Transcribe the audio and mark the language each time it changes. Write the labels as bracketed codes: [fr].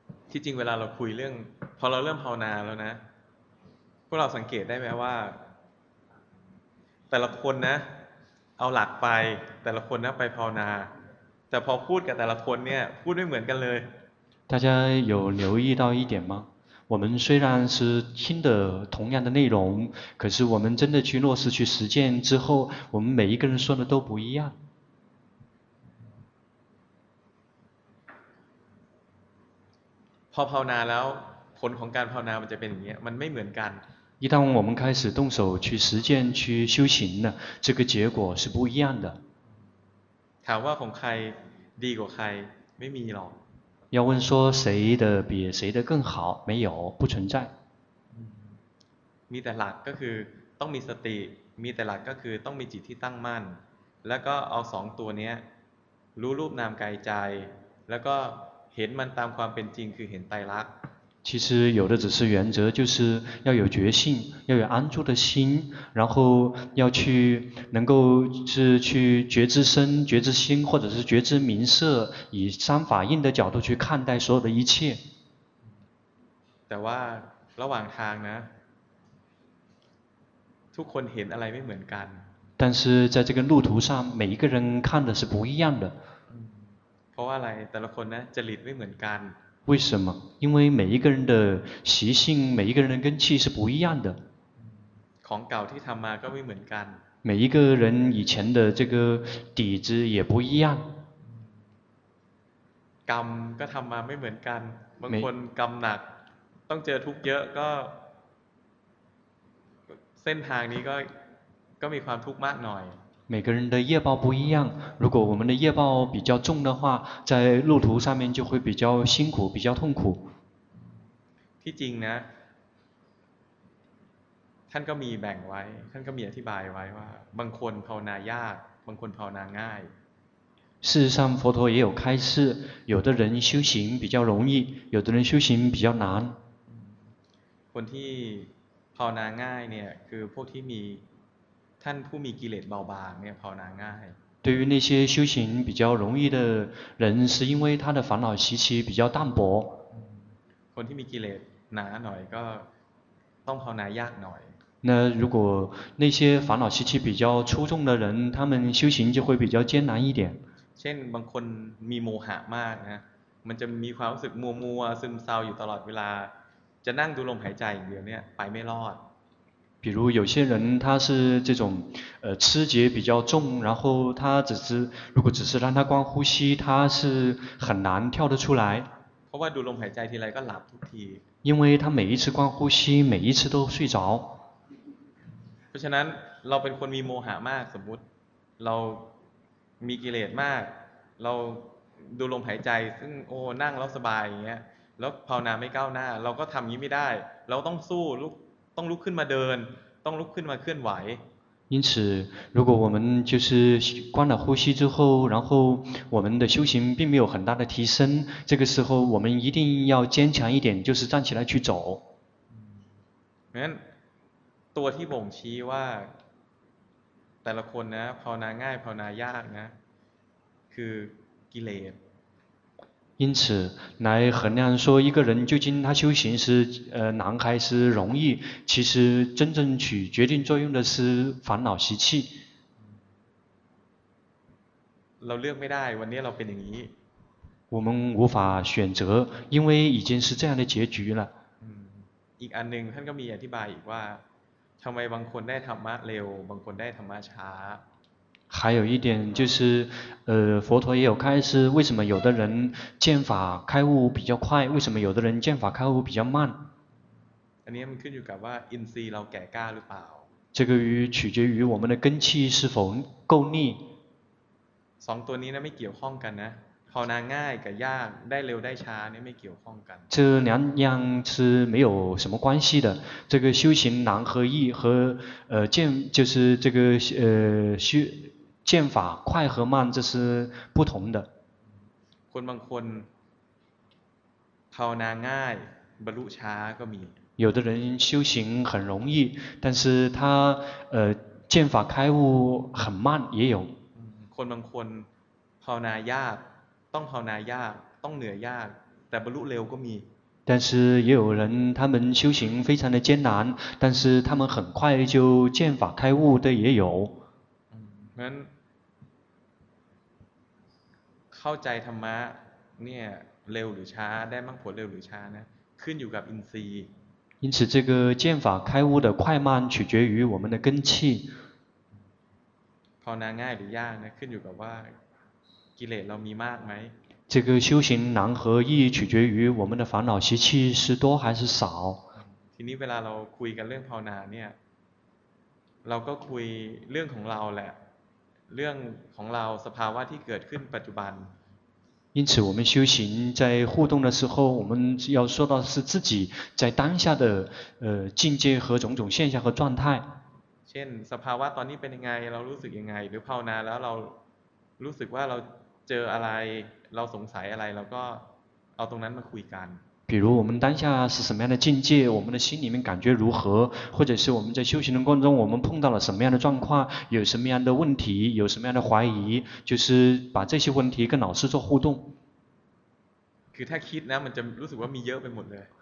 [th] ที่จริงเวลาเราคุยเรื่องพอเราเริ่มภาวนาแล้วนะพวกเราสังเกตได้ไหมว่าแต่ละคนนะเอาหลักไปแต่ละคนนะไปภาวนาแต่พอพูดกับแต่ละคนเนี่ยพูดไม่เหมือนกันเลย [zh] 大家有留意到一点吗？我们虽然是听的同样的内容，可是我们真的去落实去实践之后，我们每一个人说的都不一样。 [th] พอภาวนาแล้วผลของการภาวนามันจะเป็นอย่างเงี้ยมันไม่เหมือนกัน [zh] 一旦我们开始动手去实践去修行呢，这个结果是不一样的。 [th] ถามว่าของใครดีกว่าใครไม่มีหรอก [zh] 要问说谁的比谁的更好没有不存在 [th] มีแต่หลักก็คือต้องมีสติมีแต่หลักก็คือต้องมีจิตที่ตั้งมั่นแล้วก็เอาสองตัวนี้รู้รูปนามกายใจแล้วก็เห็นมันตามความเป็นจริงคือเห็นไตรลักษณ์ [zh] 其实有的只是原则就是要有决心要有安住的心然后要去能够是去觉知身觉知心或者是觉知名色以三法印的角度去看待所有的一切 [th] แต่ว่าระหว่างทางนะทุกคนเห็นอะไรไม่เหมือนกัน [zh] 但是在这个路途上每一个人看的是不一样的 [th] เพราะว่าอะไรแต่ละคนนะจริตไม่เหมือนกัน [zh] 为什么因为每一个人的习性每一个人的根气是不一样的 [th] ของเก่าที่ทำมาก็ไม่เหมือนกัน [zh] 每一个人以前的这个底子也不一样。 [th] กรรมก็ทำมาไม่เหมือนกันบางคนกรรมหนักต้องเจอทุกข์เยอะก็เส้นทางนี้ก็มีความทุกข์มากหน่อย [zh] 每个人的业报不一样，如果我们的业报比较重的话，在路途上面就会比较辛苦，比较痛苦。 [th] ที่จริงนะท่านก็มีแบ่งไว้ท่านก็มีอธิบายไว้ว่าบางคนภาวนายากบางคนภาวนาง่าย [zh] 事实上佛陀也有开示有的人修行比较容易有的人修行比较难 [th] คนที่ภาวนาง่ายเนี่ยคือพวกที่มีท่านผู้มีกิเลสเบาบางเนี่ยภาวนาง่าย [zh] 对于那些修行比较容易的人是因为他的烦恼习气比较淡薄 [th] คนที่มีกิเลสหนาหน่อยก็ต้องภาวนายากหน่อย [zh] 那如果那些烦恼习气比较出众的人他们修行就会比较艰难一点 [th] เช่นบางคนมีโมหะมากนะมันจะมีความรู้สึกมัวมัวซึมเศร้าอยู่ตลอดเวลาจะนั่งดูลมหายใจอย่างเดียวเนี่ยไปไม่รอด [zh] 比如有些人他是这种痴结比较重然后他只是如果只是让他光呼吸他是很难跳得出来 [th] เพราะว่าดูลมหายใจทีไรก็หลับทุกที [zh] 因为他每一次光呼吸每一次都睡着 [th] เพราะฉะนั้นเราเป็นคนมีโมหะมากสมมุติเรามีกิเลสมากเราดูลมหายใจซึ่งโอ้นั่งแล้วสบายอย่างเงี้ยแล้วภาวนาไม่ก้าวหน้าเราก็ทำอย่างนี้ไม่ได้เราต้องสู้ต้องลุกขึ้นมาเดินต้องลุกขึ้นมาเคลื่อนไหว [zh] 因此如果我们就是关了呼吸之后然后我们的修行并没有很大的提升这个时候我们一定要坚强一点就是站起来去走 [th] งั้นตัวที่บ่งชี้ว่าแต่ละคนนะภาวนาง่ายภาวนายากนะคือกิเลส [zh] 因此来衡量说一个人究竟他修行是难还是容易其实真正取决定作用的是烦恼习气 [th] เราเลือกไม่ได้วันนี้เราเป็นอย่างนี้ [zh] 我们无法选择因为已经是这样的结局了 [th] อีกอันหนึ่งท่านก็มีอธิบายอีกว่าทำไมบางคนได้ธรรมะเร็วบางคนได้ธรรมะช้า [zh] 还有一点就是佛陀也有开示为什么有的人见法开悟比较快为什么有的人见法开悟比较慢 [th] อันนี้มันขึ้นอยู่กับว่าอินทรีย์เราแก่กล้าหรือเปล่า [zh] 这个取决于我们的根气是否够力 [th] สองตัวนี้นะไม่เกี่ยวข้องกันนะภาวนาง่ายกับยากได้เร็วได้ช้านี่ไม่เกี่ยวข้องกัน [zh] 这两样是没有什么关系的这个修行难和易和见就是这个修见法快和慢这是不同的 [th] คนบางคนภาวนาง่ายบรรลุช้าก็มี [zh] 有的人修行很容易但是他见法开悟很慢也有 [th] คนบางคนภาวนายากต้องภาวนายากต้องเหนื่อยยากแต่บรรลุเร็วก็มี [zh] 但是也有人他们修行非常的艰难但是他们很快就见法开悟的也有 [th] งั้นเข้าใจธรรมะเนี่ยเร็วหรือช้าได้มั่งผลเร็วหรือช้านะขึ้นอยู่กับอินทรีย์ [zh] 因此这个见法开悟的快慢取决于我们的根气 [th] ภาวนาง่ายหรือยากนะขึ้นอยู่กับว่ากิเลสเรามีมากไหม [zh] 这个修行难和易取决于我们的烦恼习气是多还是少 [th] ทีนี้เวลาเราคุยกันเรื่องภาวนาเนี่ยเราก็คุยเรื่องของเราแหละเรื่องของเราสภาวะที่เกิดขึ้นปัจจุบัน [zh] 因此我们修行在互动的时候我们要说到是自己在当下的境界和种种现象和状态 [th] เช่นสภาวะตอนนี้เป็นยังไงเรารู้สึกยังไงหรือภาวนาแล้วเรารู้สึกว่าเราเจออะไรเราสงสัยอะไรเราก็เอาตรงนั้นมาคุยกัน [zh] 比如我们当下是什么样的境界我们的心里面感觉如何或者是我们在修行的过程中我们碰到了什么样的状况有什么样的问题有什么样的怀疑就是把这些问题跟老师做互动 [th] คือถ้าคิดนะมันจะรู้สึกว่ามีเยอะไปหมดเลย